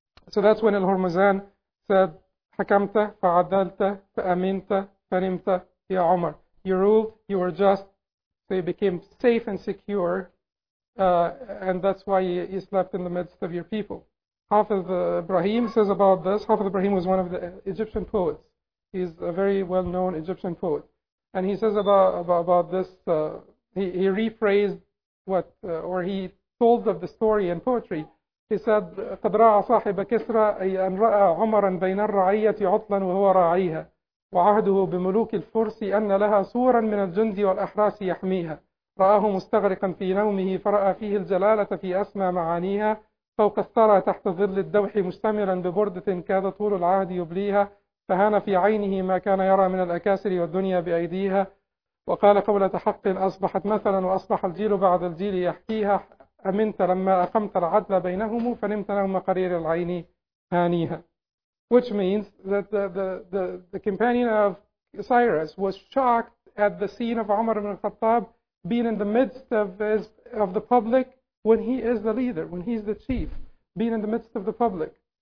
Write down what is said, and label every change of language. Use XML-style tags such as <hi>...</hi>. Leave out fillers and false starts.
<en>So that's when Al-Hormuzan said, حَكَمْتَ فَعَدَلْتَ فَأَمِنْتَ فَنِمْتَ يَا عُمَرْ. You ruled, you were just, so you became safe and secure, and that's why you slept in the midst of your people. Hafiz Ibrahim says about this, Hafiz Ibrahim was one of the Egyptian poets. He's a very well-known Egyptian poet. And he says about this, he rephrased what, or he told of the story in poetry.</en> <ar>He said, قَدْرَعَ صَاحِبَ كِسْرَ أَيْ أَنْ رَأَى عُمَرًا بَيْنَ الرَّعِيَّةِ عُطْلًا وَهُوَ رَعِيهَا وَعَهْدُهُ بِمُلُوكِ الْفُرْسِ أَنَّ لَهَا صُورًا مِنَ الْجُنْدِ وَالْأَحْرَاسِ يَحْمِيهَا رَأَهُ مُسْتَغْرِقًا فِي نَوْمِهِ فَرَأَى فِيهِ الْجَلَالَةَ فِي أَسْمَى مَعَانِيهَا فَوْقَ الثَّرَى تَحْتَ ظِلِّ الدَّوْحِ مُشْتَمِرًا بِبُرْدَةٍ كَادَ طُولُ الْعَهْدِ يُبْلِيهَا فهان في عينه ما كان يرى من الأكاسر والدنيا بأيديها وقال قولة حق أصبحت مثلا وأصبح الجيل بعد الجيل يحكيها أمنت لما أقمت العدل بينهم فنمت لهم قرير العين هانيها.</ar> <en>Which means that the companion of Cyrus was shocked at the scene of Umar ibn Khattab being in the midst of the public when he is the leader, when he's the chief, being in the midst of the public.</en>